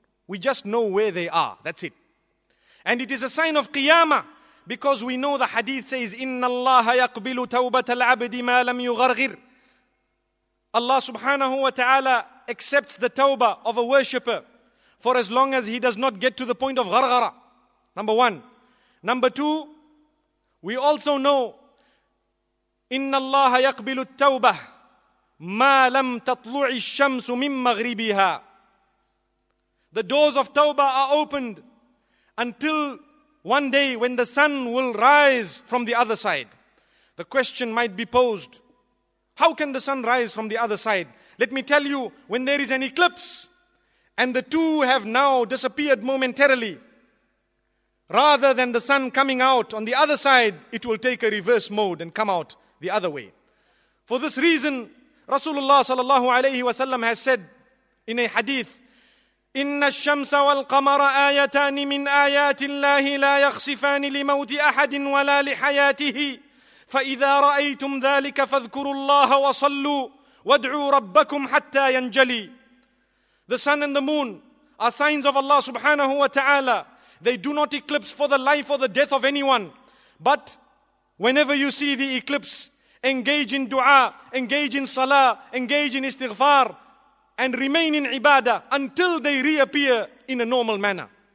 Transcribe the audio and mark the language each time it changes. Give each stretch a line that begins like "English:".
English: We just know where they are. That's it. And it is a sign of qiyamah, because we know the hadith says,
Arabic: إِنَّ اللَّهَ يَقْبِلُ تَوْبَةَ الْعَبْدِ مَا لَمْ يُغَرْغِرْ.
English: Allah subhanahu wa ta'ala accepts the tawbah of a worshipper for as long as he does not get to the point of gharghara. Number one. Number two, we also know,
Arabic: إِنَّ اللَّهَ يَقْبِلُ التَّوْبَةَ مَا لَمْ تَطْلُعِ الشَّمْسُ مِمْ مَغْرِبِهَا.
English: The doors of tawbah are opened until one day when the sun will rise from the other side. The question might be posed, how can the sun rise from the other side? Let me tell you, when there is an eclipse and the two have now disappeared momentarily, rather than the sun coming out on the other side, it will take a reverse mode and come out the other way. For this reason, Rasulullah sallallahu alayhi wa sallam has said in a hadith,
Arabic: إِنَّ الشَّمْسَ وَالْقَمَرَ آيَتَانِ مِنْ آيَاتِ اللَّهِ لَا يَخْسِفَانِ لِمَوْتِ أَحَدٍ وَلَا لِحَيَاتِهِ فَإِذَا رَأَيْتُمْ ذَلِكَ فَاذْكُرُوا اللَّهَ وَصَلُّوا وَادْعُوا رَبَّكُمْ حَتَّى يَنْجَلِي.
English: The sun and the moon are signs of Allah subhanahu wa ta'ala. They do not eclipse for the life or the death of anyone. But whenever you see the eclipse, engage in dua, engage in salah, engage in istighfar, and remain in ibadah until they reappear in a normal manner.